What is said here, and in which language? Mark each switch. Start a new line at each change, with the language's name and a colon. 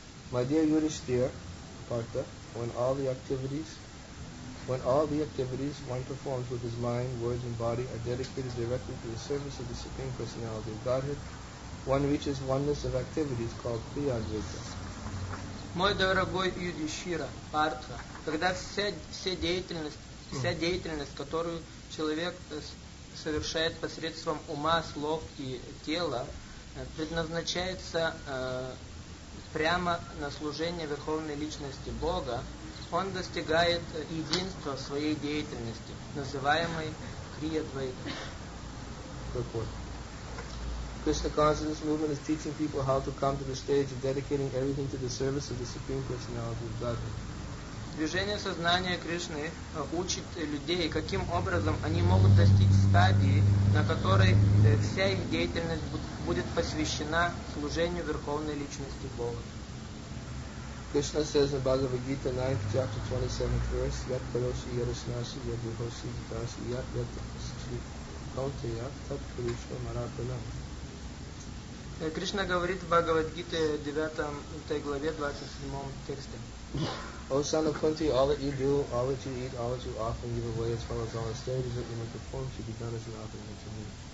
English: My dear Yudhishthira, Partha, when all the activities one performs with his mind, words and body are dedicated directly to the service of the Supreme Personality of Godhead, one reaches oneness of activities called Kriyadvaita.
Russian: Мой дорогой Юдишира, Партха, когда вся деятельность, которую человек совершает посредством ума, слов и тела, предназначается прямо на служение Верховной Личности Бога, он достигает единства в своей деятельности, называемой Крия-двайта.
English: Krishna Consciousness Movement is teaching people how to come to the stage of dedicating everything to the service of the Supreme Personality of Godhead.
Russian: Движение сознания Кришны учит людей, каким образом они могут достичь стадии, на которой вся их деятельность будет посвящена служению Верховной Личности Бога.
English: Krishna says in Bhagavad Gita 9th chapter 27th verse,
Sanskrit: Yat Karoshi Yadasnasi Yadvihosi Yadasi Yat Yat Sri Kauteya Tat Purusha Marapanam.
Russian: Кришна говорит в Бхагавад-гите 9 главе 27 тексте. О сын Кунти,
English: all that you do, all that you eat, all that you offer and give away, as well as all the stages that you may perform, should be done as an offering to me.